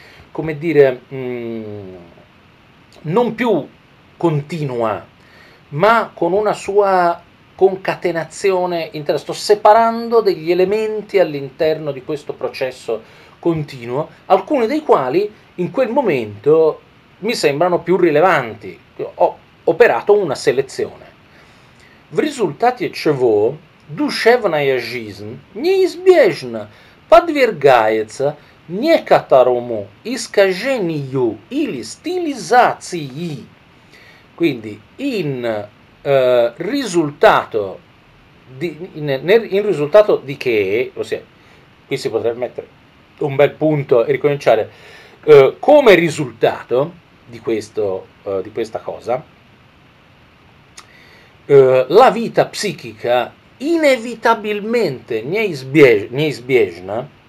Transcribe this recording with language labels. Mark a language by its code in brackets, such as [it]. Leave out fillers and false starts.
[it] come dire, non più continua, ma con una sua concatenazione interna, sto separando degli elementi all'interno di questo processo continuo, alcuni dei quali in quel momento mi sembrano più rilevanti, ho operato una selezione. [ru] В результате чего душевная жизнь неизбежно подвергается некоторому искажению или стилизации. [it] Quindi in risultato di che, ossia, qui si potrebbe mettere un bel punto e ricominciare, come risultato di questo, di questa cosa, la vita psichica inevitabilmente neizbježna